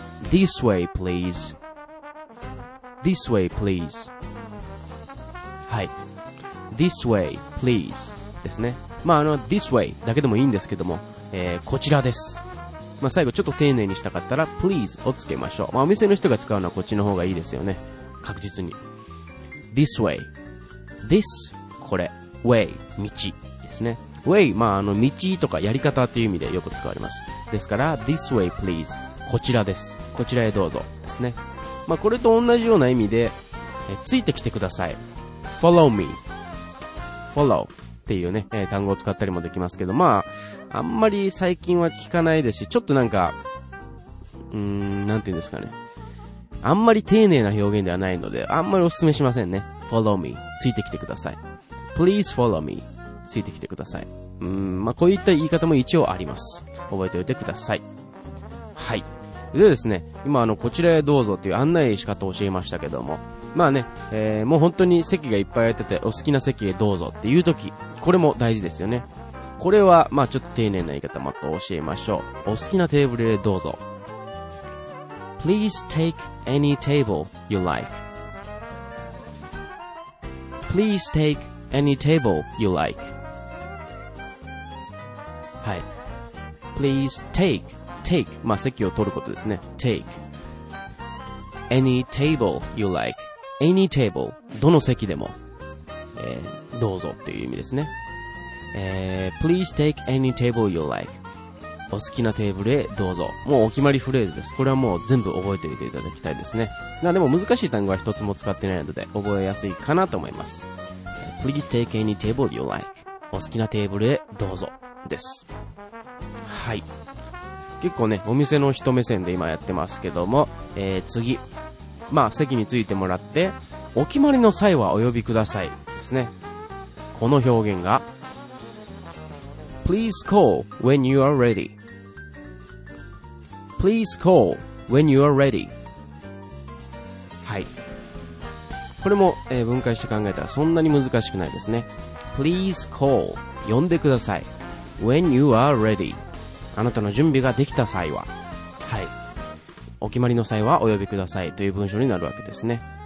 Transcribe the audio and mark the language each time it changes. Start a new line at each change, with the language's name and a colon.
English: This way, please. This way, please. はい。 This way, please. ですね。
Japanese: まあ、
English: This way
Japanese: だけでもいいんですけども、こちらです。まあ、最後ちょっと丁寧にしたかったら please をつけましょう。まあ、お店の人が使うのはこっちの方がいいですよね、確実に。
English: This way、
Japanese: This、 これ way、 道ですね。 way、 まあ道とかやり方という意味でよく使われます。ですから
English: This way please、
Japanese: こちらです、こちらへどうぞですね。まあ、これと同じような意味でついてきてください、
English: follow me、
Japanese: follow っていうね、単語を使ったりもできますけど、まああんまり最近は聞かないですし、ちょっとなんか、なんて言うんですかね。あんまり丁寧な表現ではないので、あんまりおすすめしませんね。
English: Follow me、
Japanese: ついてきてください。
English: Please follow me、
Japanese: ついてきてください。まあ、こういった言い方も一応あります。覚えておいてください。はい。でですね、今こちらへどうぞっていう案内仕方を教えましたけども、まあね、もう本当に席がいっぱい空いてて、お好きな席へどうぞっていう時、これも大事ですよね。これは、まあちょっと丁寧な言い方また教えましょう。お好きなテーブルへどうぞ。
English: Please take any table you like. Please take any table you like.
Japanese: はい。
English: Please take, take,
Japanese: まあ席を取ることですね。
English: take. Any table you like. Any table,
Japanese: どの席でも、どうぞっていう意味ですね。
English: Please take any table you like.
Japanese: お好きなテーブルへどうぞ。もうお決まりフレーズです。これはもう全部覚えておいていただきたいですね。まあでも難しい単語は一つも使ってないので覚えやすいかなと思います。
English: Please take any table you like.
Japanese: お好きなテーブルへどうぞです。はい。結構ね、お店の人目線で今やってますけども、次。まあ、席についてもらって、お決まりの際はお呼びくださいですね。この表現が、
English: Please call when you are ready. Please call when you are ready.
Japanese: はい。これも、分解して考えたらそんなに難しくないですね。
English: Please call
Japanese: 呼んでください。
English: When you are ready.
Japanese: あなたの準備ができた際は。はい。お決まりの際はお呼びくださいという文章になるわけですね。